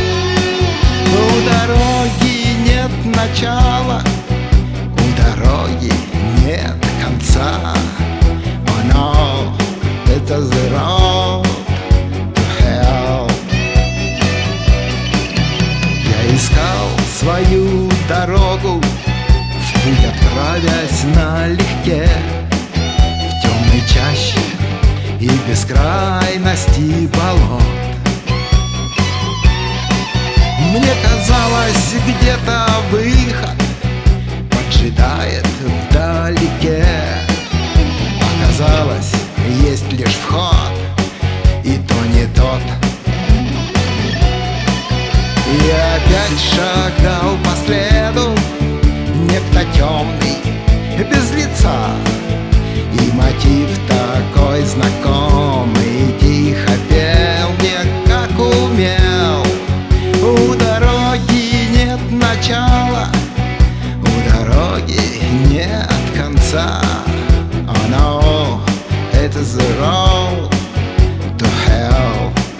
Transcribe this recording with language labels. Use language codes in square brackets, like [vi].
[ru] У дороги нет начала, у дороги нет конца. [en] Oh no, it's the road to hell. [ru] Я искал свою дорогу, в путь отправясь налегке, в темной чаще и бескрайности болот. Мне казалось, где-то выход поджидает вдалеке. Казалось, есть лишь вход, и то не тот. И опять шагал по следу некто темный, без лица, и мотив такой знакомый тихо пел мне, как умел. У дороги нет начала, у дороги нет конца. [en] Oh no, it's the road to hell.